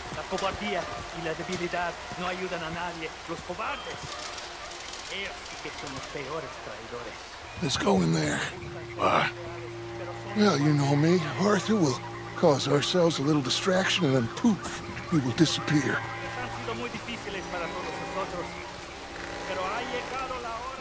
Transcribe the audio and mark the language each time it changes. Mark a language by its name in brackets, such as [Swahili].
[Spanish] Cobardía y la debilidad no ayudan a nadie. Los cobardes, ellos sí que son los peores traidores. [English] Let's go in there. Why? Well, you know me. Arthur will cause ourselves a little distraction and then poof, we will disappear. [Spanish] Han sido muy difíciles para todos nosotros, pero ha llegado la hora.